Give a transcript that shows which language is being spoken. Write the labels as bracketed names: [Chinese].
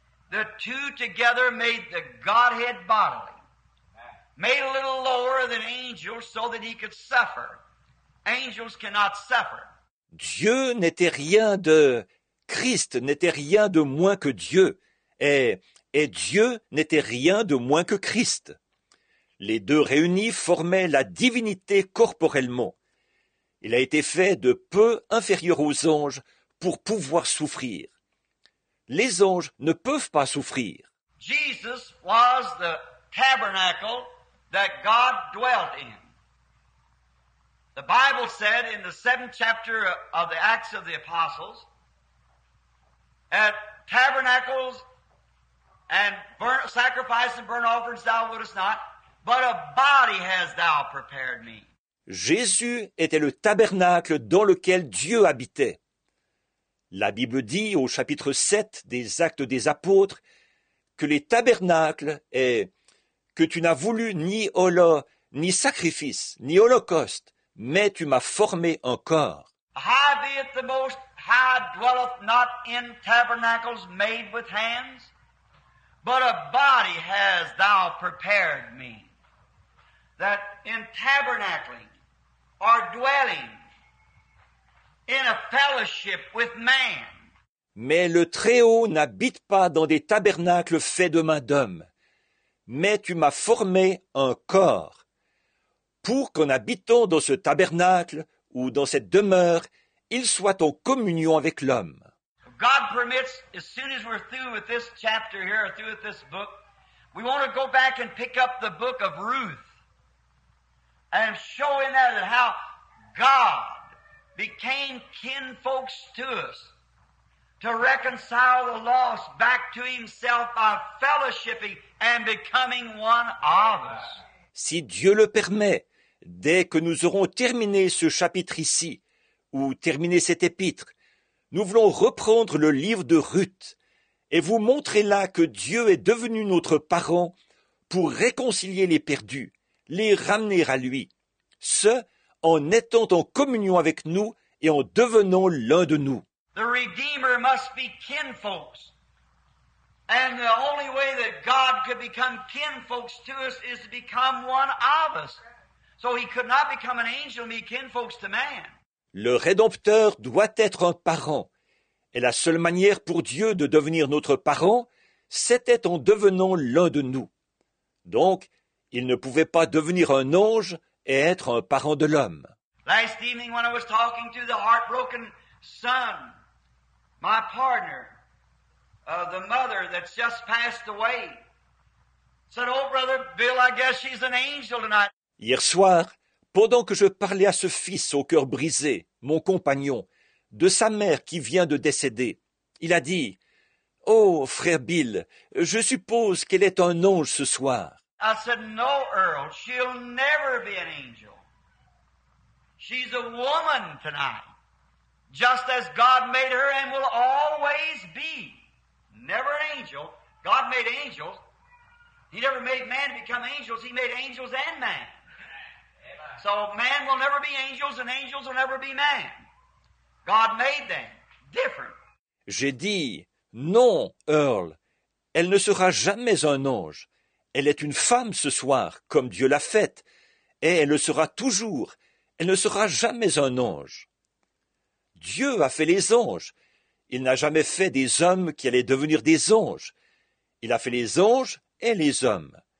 [English] The two together made the Godhead bodily, made a little lower than angels so that he could suffer. Angels cannot suffer. [French] Dieu n'était rien de... Christ n'était rien de moins que Dieu, et Dieu n'était rien de moins que Christ. Les deux réunis formaient la divinité corporellement. Il a été fait de peu inférieur aux anges pour pouvoir souffrir. Les anges ne peuvent pas souffrir. [English] Jesus was the tabernacle that God dwelt in. The Bible said in the 7th chapter of the Acts of the Apostles, at tabernacles and burnt sacrifice and burnt offerings thou wouldest not, but a body hast thou prepared me. [French] Jésus était le tabernacle dans lequel Dieu habitait. La Bible dit au chapitre 7 des Actes des Apôtres que les tabernacles est que tu n'as voulu ni hola, ni sacrifice, ni holocauste, mais tu m'as formé un corps. [English] High be it the Most High dwelleth not in tabernacles made with hands, but a body hast thou prepared me, that in tabernacling or dwelling, in a fellowship with man. [French] Mais le Très-Haut n'habite pas dans des tabernacles faits de main d'homme, mais tu m'as formé un corps, pour qu'en habitant dans ce tabernacle ou dans cette demeure, il soit en communion avec l'homme. [English] God permits, as soon as we're through with this chapter here, or through with this book, we want to go back and pick up the book of Ruth and show in that how God became kinfolks to us to reconcile the lost back to himself by fellowshipping and becoming one of us. [French] Si Dieu le permet, dès que nous aurons terminé ce chapitre ici, ou terminé cet épître, nous voulons reprendre le livre de Ruth et vous montrer là que Dieu est devenu notre parent pour réconcilier les perdus, les ramener à lui. Ce, en étant en communion avec nous et en devenant l'un de nous. [English] The Redeemer must be kinfolks. And the only way that God could become kinfolks to us is to become one of us. So he could not become an angel and be kinfolks to man. [French] Le Rédempteur doit être un parent. Et la seule manière pour Dieu de devenir notre parent, c'était en devenant l'un de nous. Donc, il ne pouvait pas devenir un ange et être un parent de l'homme. [English] Last evening when I was talking to the heartbroken son, my partner, the mother that's just passed away, said, oh brother Bill, I guess she's an angel tonight. [French] Hier soir, pendant que je parlais à ce fils au cœur brisé, mon compagnon, de sa mère qui vient de décéder, il a dit, oh frère Bill, je suppose qu'elle est un ange ce soir. [English] I said, no, Earl, she'll never be an angel. She's a woman tonight, just as God made her and will always be. Never an angel. God made angels. He never made man to become angels. He made angels and man. So man will never be angels, and angels will never be man. God made them different. [French] J'ai dit, non, Earl, elle ne sera jamais un ange. Elle est une femme ce soir, comme Dieu l'a faite, et elle le sera toujours. Elle ne sera jamais un ange. Dieu a fait les anges. Il n'a jamais fait des hommes qui allaient devenir des anges. Il a fait les anges et les hommes.